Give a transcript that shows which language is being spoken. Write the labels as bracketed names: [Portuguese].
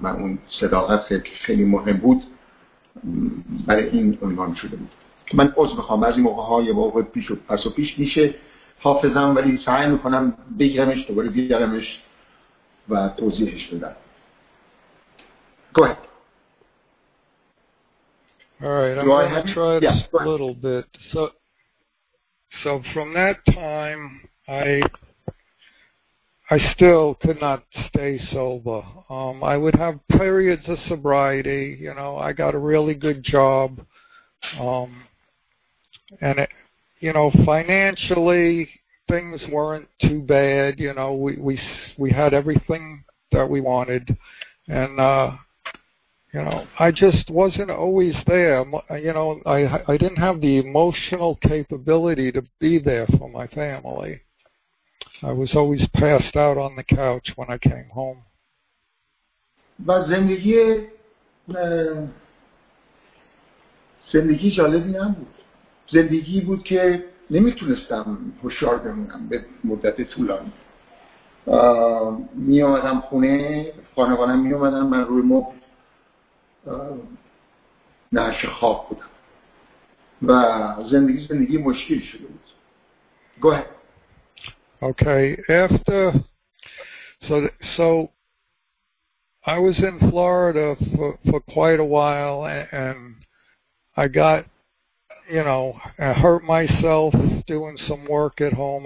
[Persian] من اون صداقت خیلی مهم بود برای این عنوان شده بود. من عذر میخوام، بعضی موقع ها یه موقع پیش و پس و پیش میشه حافظم، ولی سعی میکنم بگیرمش، دوباره بیارمش و توضیحش بدم. [English] Go ahead. Alright, I'm going to try this a little bit. So from that time, I still could not stay sober. I would have periods of sobriety. You know, I got a really good job. And it, you know, financially things weren't too bad. You know, we had everything that we wanted, and you know, I just wasn't always there. You know, I didn't have the emotional capability to be there for my family. I was always passed out on the couch when I came home. But then the [Persian] زندگی بود که نمیتونستم هوشیار بمونم به مدت طولانی. میامدم خونه، خانوانم میامدم، من روی مبل نعش خواب بودم و زندگی مشکل شده بود. [English] Go ahead. Okay, after so I was in Florida for quite a while and I got, you know, I hurt myself doing some work at home.